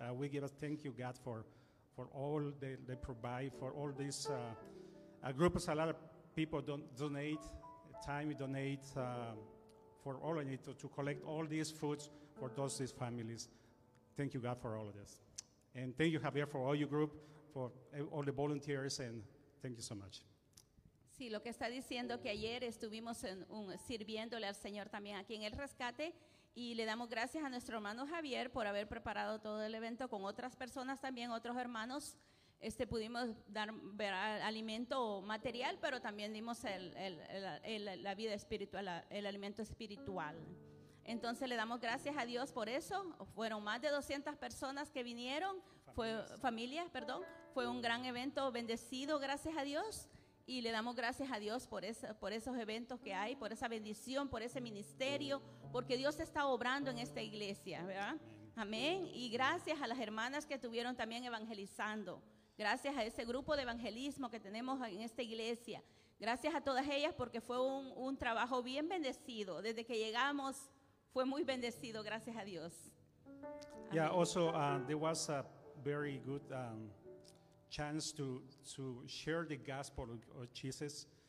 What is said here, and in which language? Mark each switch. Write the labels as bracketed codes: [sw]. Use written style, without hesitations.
[en] We give a thank you, God, for all they provide, for all these groups. A lot of people donate time, donate for all of it to collect all these foods for these families. Thank you, God, for all of this. And thank you, Javier, for all your group, for all the volunteers, and thank you so much. [es] Sí, lo que está diciendo que ayer estuvimos sirviéndole al Señor también aquí en el rescate, y le damos gracias a nuestro hermano Javier por haber preparado todo el evento con otras personas también, otros hermanos. Pudimos dar alimento material, pero también dimos la vida espiritual, el alimento espiritual. Entonces le damos gracias a Dios por eso. Fueron más de 200 personas que vinieron, fue un gran evento bendecido, gracias a Dios. Y le damos gracias a Dios por esos eventos que hay, por esa bendición, por ese ministerio, porque Dios está obrando en esta iglesia, ¿verdad? Amén. Y gracias a las hermanas que estuvieron también evangelizando. Gracias a ese grupo de evangelismo que tenemos en esta iglesia. Gracias a todas ellas porque fue un trabajo bien bendecido. Desde que llegamos fue muy bendecido, gracias a Dios. Amén. [en] Yeah, also there was a very good chance to share the gospel of Jesus.